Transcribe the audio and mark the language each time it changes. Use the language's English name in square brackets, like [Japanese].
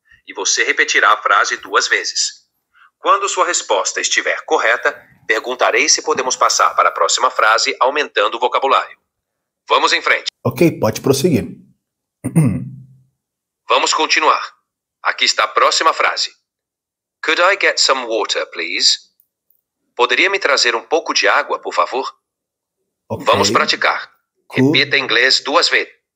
[Portuguese] E você repetirá a frase duas vezes. Quando sua resposta estiver correta, perguntarei se podemos passar para a próxima frase, aumentando o vocabulário. Vamos em frente. Ok, pode prosseguir. Vamos continuar. Aqui está a próxima frase. [English] Could I get some water, please? [Portuguese] Poderia me trazer um pouco de água, por favor? Okay. Vamos praticar. Repita em inglês duas vezes.